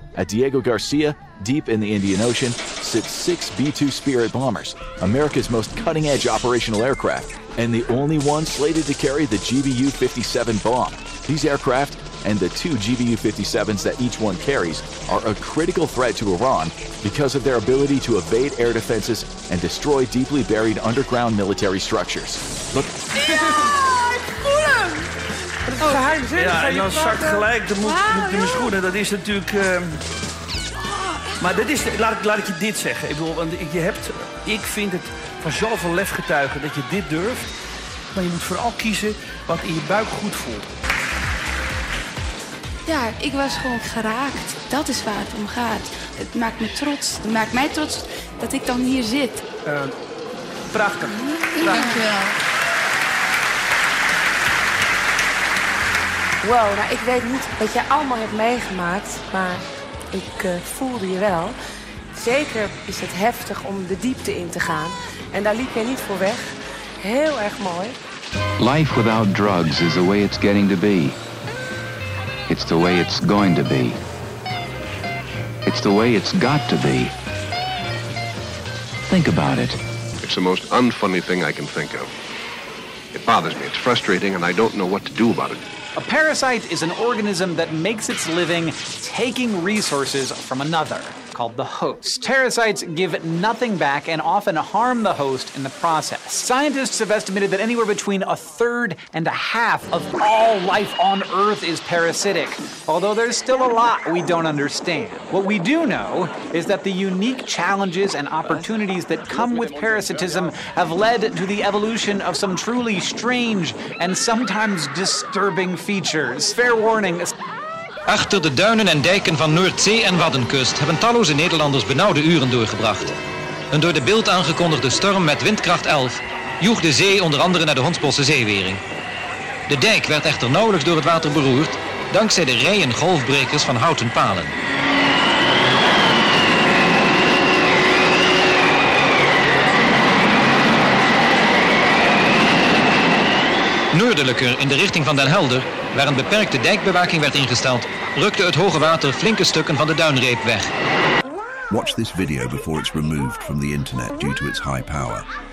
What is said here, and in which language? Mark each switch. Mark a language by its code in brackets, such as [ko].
[en] At Diego Garcia, deep in the Indian Ocean, sit six B-2 Spirit bombers, America's most cutting-edge operational aircraft, and the only one slated to carry the GBU-57 bomb. These aircraft, and the two GBU-57s that each one carries, are a critical threat to Iran because of their ability to evade air defenses and destroy deeply buried underground military structures. Look. [nl] Ja, en dan zakt gelijk, dan moet je mijn schoenen. Dat is natuurlijk. Maar dit is, laat ik je dit zeggen. Ik bedoel, want je hebt, ik vind het van zoveel lef getuigen dat je dit durft. Maar je moet vooral kiezen wat in je buik goed voelt. Ja, ik was gewoon geraakt. Dat is waar het om gaat. Het maakt me trots. Het maakt mij trots dat ik dan hier zit. Prachtig. Dank je wel. Wow, nou, ik weet niet wat jij allemaal hebt meegemaakt, maar ik voelde je wel. Zeker is het heftig om de diepte in te gaan. En daar liep jij niet voor weg. Heel erg mooi. [en] Life without drugs is the way it's getting to be. It's the way it's going to be. It's the way it's got to be. Think about it. It's the most unfunny thing I can think of. It bothers me, it's frustrating, and I don't know what to do about it. A parasite is an organism that makes its living taking resources from another, called the host. Parasites give nothing back and often harm the host in the process. Scientists have estimated that anywhere between a third and a half of all life on Earth is parasitic, although there's still a lot we don't understand. What we do know is that the unique challenges and opportunities that come with parasitism have led to the evolution of some truly strange and sometimes disturbing features. Fair warning. [nl] Achter de duinen en dijken van Noordzee en Waddenkust hebben talloze Nederlanders benauwde uren doorgebracht. Een door de Bild aangekondigde storm met windkracht 11 joeg de zee onder andere naar de Hondsbossche zeewering. De dijk werd echter nauwelijks door het water beroerd, dankzij de rijen golfbrekers van houten palen. Noordelijker, in de richting van Den Helder, waar een beperkte dijkbewaking werd ingesteld, rukte het hoge water flinke stukken van de duinreep weg. [en] Watch this video before it's removed from the internet due to its high power.